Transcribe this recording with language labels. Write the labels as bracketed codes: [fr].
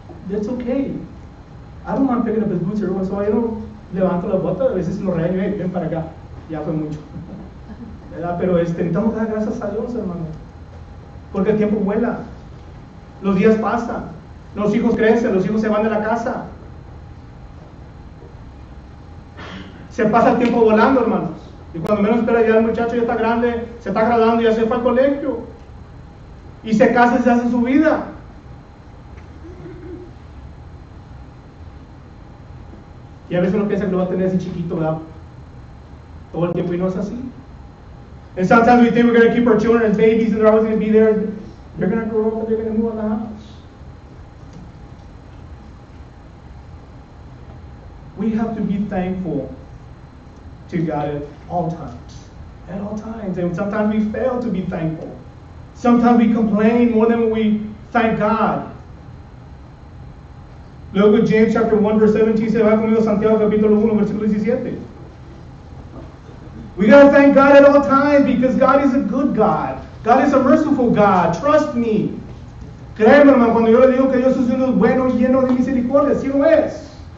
[en] That's okay. I don't mind picking up his boots every once in a while. [es] Levanto la bota, a veces lo regaño, hey, ven para acá, ya fue mucho, ¿verdad? Pero necesitamos dar gracias a Dios, hermano, porque el tiempo vuela, los días pasan, los hijos crecen, los hijos se van de la casa, se pasa el tiempo volando, hermanos, y cuando menos espera ya el muchacho ya está grande, se está graduando, ya se fue al colegio, y se casa y se hace su vida. Y a veces uno piensa que lo va a tener ese chiquito, ¿verdad? Todo el tiempo, y no es así. [en] And sometimes we think we're going to keep our children as babies and they're always going to be there. They're going to grow up and they're going to move out of the house. We have to be thankful to God at all times. At all times. And sometimes we fail to be thankful. Sometimes we complain more than we thank God. [es] Luego [en] James chapter 1 verse 17 [es] se va conmigo Santiago capítulo 1 versículo 17. [en] We gotta thank God at all times because God is a good God. God is a merciful God. Trust me. [es] Créeme, hermano, cuando yo le digo que Dios es un bueno y lleno de misericordia, así lo es.